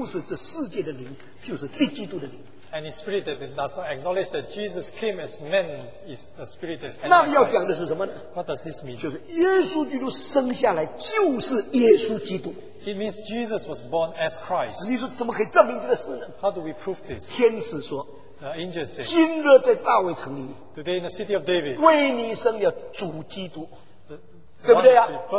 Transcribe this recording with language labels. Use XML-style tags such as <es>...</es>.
<zh>凡灵不认耶稣是道成肉身来的，他就是渺茫的灵，他就是这世界的灵，就是地基督的灵。</zh> <en>Any spirit that does not acknowledge that Jesus came as man is the spirit that's antichrist.</en> <zh>那要讲的是什么呢？</zh> <en>What does this mean?</en> <zh>就是耶稣基督生下来就是耶稣基督。</zh> <en>It means Jesus was born as Christ.</en> <zh>你说怎么可以证明这个事呢？</zh> <en>How do we prove this?</en> <zh>天使说，</zh> <en>The angel said,</en> <zh>今日在大卫城里，</zh> <en>Today in the city of David,</en> <zh>为你生了主基督， 对不对啊？</zh>